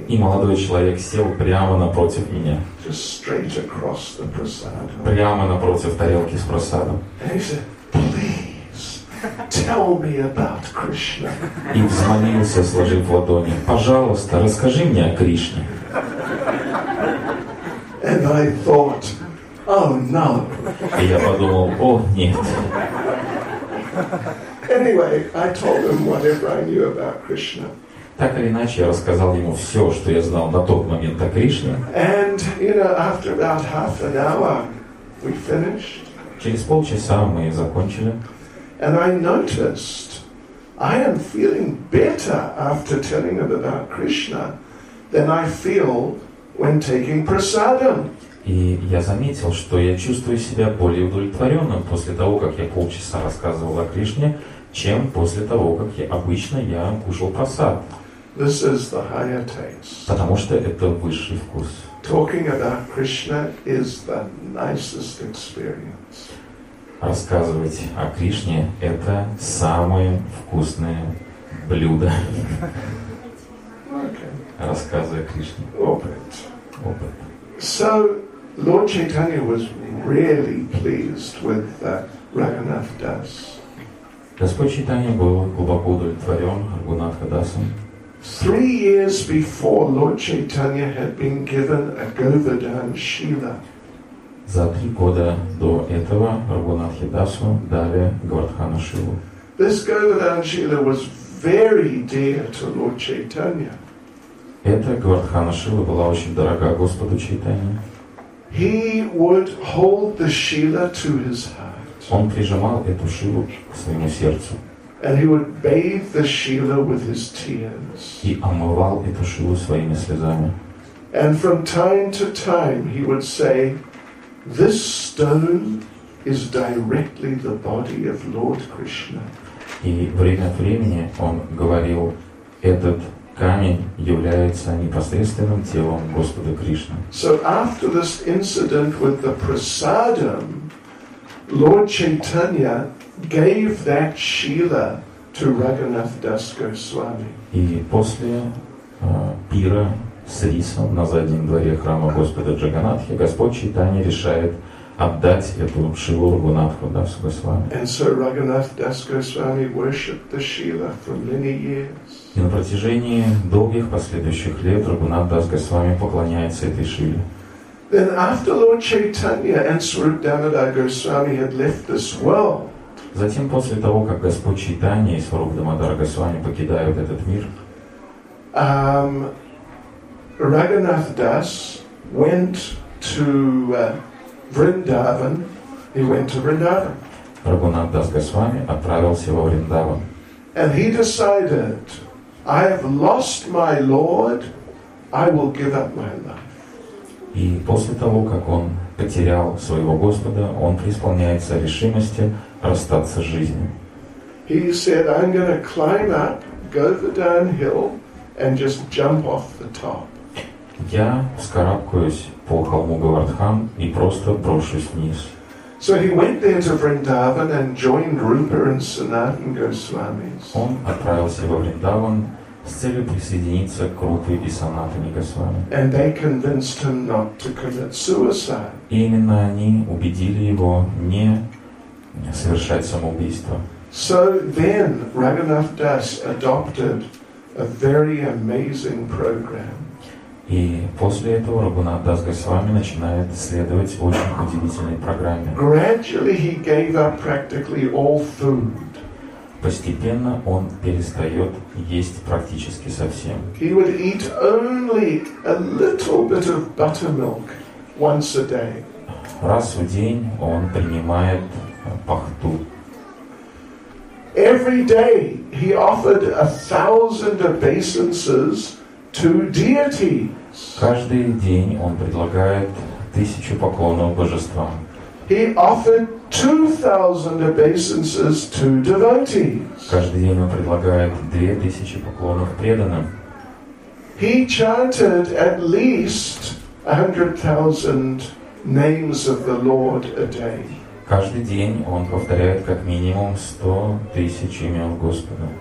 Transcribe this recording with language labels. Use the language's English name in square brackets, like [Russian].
[Russian] И молодой человек сел прямо напротив меня. [English] Just straight across the prasadam. [Russian] Прямо напротив тарелки с просадом. [English] And he said, "Please tell me about Krishna." [Russian] И взмолился, сложив ладони. Пожалуйста, расскажи мне о Кришне. [English] And I thought, oh no. [Russian] И я подумал, о нет. [English] Anyway, I told him whatever I knew about Krishna. [Russian] Так или иначе, я рассказал ему все, что я знал на тот момент о Кришне. [English] And you know, after about half an hour, we finished. [Russian] Через полчаса мы закончили. [English] And I noticed, I am feeling better after telling him about Krishna than I feel when taking prasadam. [Russian] И я заметил, что я чувствую себя более удовлетворенным после того, как я полчаса рассказывал о Кришне, чем после того, как я обычно я кушал прасад. [English] This is the higher taste. [Russian] Потому что это высший вкус. [English] Talking about Krishna is the nicest experience. [Russian] Рассказывать о Кришне – это самое вкусное блюдо. [English] Okay. [Russian] Рассказывая о Кришне. Опыт. Опыт. [English] So, Lord Chaitanya was really pleased with Raghunath Das. [Russian] Господь Чайтанья был глубоко удовлетворен Рагхунатха Дасом. [English] 3 years before, Lord Chaitanya had been given a Govardhan Shila. [Russian] За 3 года до этого Рагхунатха Дасу дали Говардхана Шилу. [English] This Govardhan Shila was very dear to Lord Chaitanya. [Russian] Эта Говардхана Шила была очень дорога Господу Чайтанья. [English] He would hold the Shila to his heart. [Russian] Он прижимал эту Шилу к своему сердцу. [English] And he would bathe the Shila with his tears. [Russian] И омывал эту Шилу своими слезами. [English] And from time to time he would say, "This stone is directly the body of Lord Krishna." [Russian] И время от времени он говорил, этот камень является непосредственным телом Господа Кришны. [English] So after this incident with the prasadam, Lord Chaitanya gave that shila to Raghunath Das Goswami. [Russian] И после пира с рисом на заднем дворе храма Господа Джаганатхи, Господь Чайтанья решает отдать эту Шилу Рагунатху Дас Госвами. [English] And so Raghunath Das Goswami worshipped the Shila for many years. [Russian] И на протяжении долгих последующих лет Рагунат Дас Госвами поклоняется этой Шиле. [English] Then after Lord Chaitanya and Swarup Damodar Goswami had left this world. [Russian] Затем после того, как Господь Чайтанья и Сварупа Дамодара Госвами покидают этот мир, [English] Raghunath Das went to Vrindavan. He went to Vrindavan. [Russian] Raghunath Das Goswami отправился во Вриндаван. [English] And he decided, I have lost my Lord, I will give up my life. [Russian] И после того, как он потерял своего Господа, он преисполняется решимости расстаться с жизнью. [English] He said, I'm gonna climb up, go the downhill, and just jump off the top. [Russian] Я вскарабкаюсь по холму Говардхан и просто брошусь вниз. [English] So he went there to Vrindavan and joined Rupa and Sanatan Goswamis. [Russian] Он отправился во Вриндаван с целью присоединиться к Рупе и Санатане Госвами. [English] And they convinced him not to commit suicide. [Russian] И именно они убедили его не совершать самоубийство. [English] So then Raghunath Das adopted a very amazing program. [Russian] И после этого Рагунат Дас Госвами начинает следовать очень удивительной программе. [English] Gradually he gave up practically all food. [Russian] Постепенно он перестает есть практически совсем. [English] He would eat only a little bit of buttermilk once a day. [Russian] Раз в день он принимает пахту. [English] Every day he offered 1,000 obeisances to deity. [Russian] Каждый день он предлагает 1,000 поклонов божествам. [English] He offered 2,000 obeisances to devotees. [Russian] Каждый день он предлагает 2,000 поклонов преданным. [English] He chanted at least 100,000 names of the Lord a day. [Russian] Каждый день он повторяет как минимум 100,000 имен Господа.